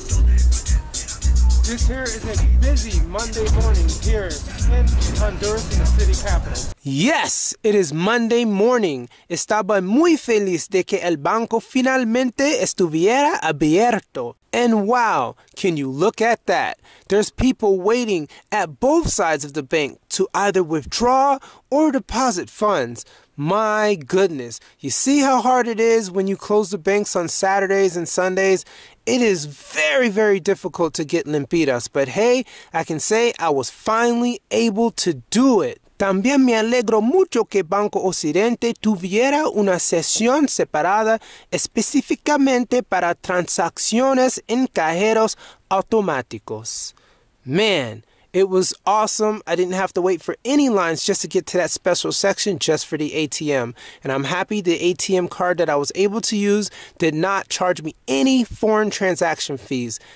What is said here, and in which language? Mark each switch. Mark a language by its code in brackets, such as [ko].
[en] This here is a busy Monday morning here in Honduras, in the city capital. Yes, it is Monday morning. [es] Estaba muy feliz de que el banco finalmente estuviera abierto. [en] And wow, can you look at that? There's people waiting at both sides of the bank to either withdraw or deposit funds. My goodness, you see how hard it is when you close the banks on Saturdays and Sundays? It is very, very difficult to get limpitas, but hey, I can say I was finally able to do it. [es] También me alegro mucho que Banco Occidente tuviera una sesión separada específicamente para transacciones en cajeros automáticos. [en] Man, it was awesome. I didn't have to wait for any lines just to get to that special section just for the ATM. And I'm happy the ATM card that I was able to use did not charge me any foreign transaction fees.